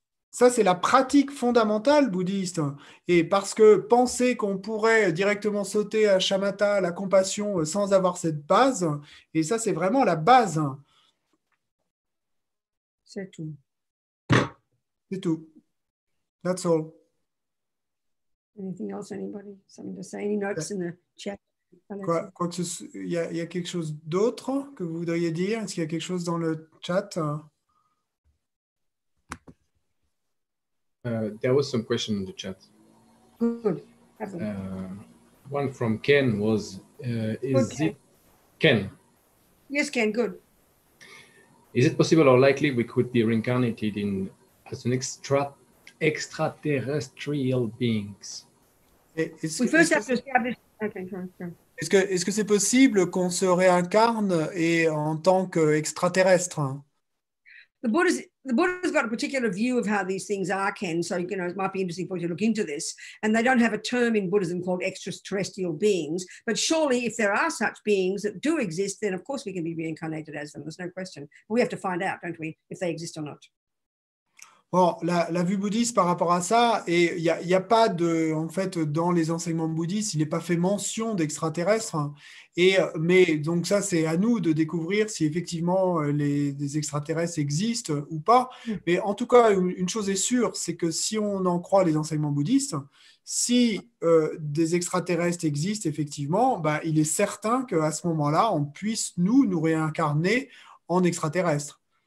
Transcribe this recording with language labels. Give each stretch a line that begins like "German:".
French: Ça, c'est la pratique fondamentale bouddhiste. Et parce que penser qu'on pourrait directement sauter à shamatha, la compassion, sans avoir cette base, et ça, c'est vraiment la base. C'est tout. C'est tout.
English: That's all. Anything else, anybody? Something to say? Any notes in the chat?
French: Quoi que ce soit, il y a quelque chose d'autre que vous voudriez dire? Est-ce qu'il y a quelque chose dans le chat?
English: There was some question in the chat. Good. One from Ken was, is good, Ken. It... Ken? Yes, Ken, good. Is it possible or likely we could be reincarnated in as an extraterrestrial beings? We first have to establish... Okay, sorry.
French: Est-ce que c'est possible qu'on se réincarne et en tant qu'extraterrestre?
English: The Buddha's got a particular view of how these things are, Ken, so you know it might be interesting for you to look into this. And they don't have a term in Buddhism called extraterrestrial beings, but surely if there are such beings that do exist, then of course we can be reincarnated as them, there's no question. But we have to find out, don't we, if they exist or not.
French: Bon, la vue bouddhiste par rapport à ça, et il n'y a pas de, en fait, dans les enseignements bouddhistes, il n'est pas fait mention d'extraterrestres. Et mais donc ça, c'est à nous de découvrir si effectivement les extraterrestres existent ou pas. Mais en tout cas, une chose est sûre, c'est que si on en croit les enseignements bouddhistes, si des extraterrestres existent effectivement, ben, il est certain qu'à ce moment-là, on puisse nous réincarner en extraterrestres.